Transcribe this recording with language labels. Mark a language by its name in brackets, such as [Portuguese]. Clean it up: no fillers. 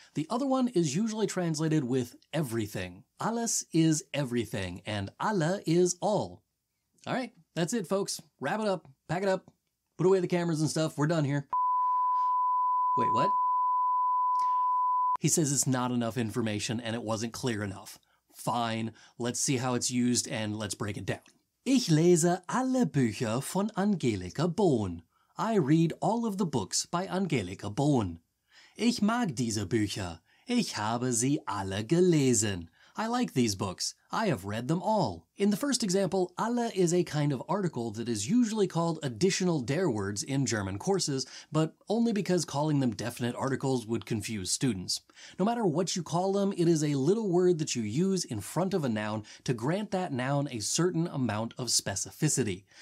[English] The other one is usually translated with everything. Alles is everything, and alle is all. Alright, that's it folks. Wrap it up, pack it up, put away the cameras and stuff, we're done here. Wait, what? He says it's not enough information and it wasn't clear enough. Fine, let's see how it's used and let's break it down. [German] Ich lese alle Bücher von Angelika Bohn. [English] I read all of the books by Angelika Bohn. [German] Ich mag diese Bücher. Ich habe sie alle gelesen. [English] I like these books. I have read them all. In the first example, alle is a kind of article that is usually called additional der words in German courses, but only because calling them definite articles would confuse students. No matter what you call them, it is a little word that you use in front of a noun to grant that noun a certain amount of specificity.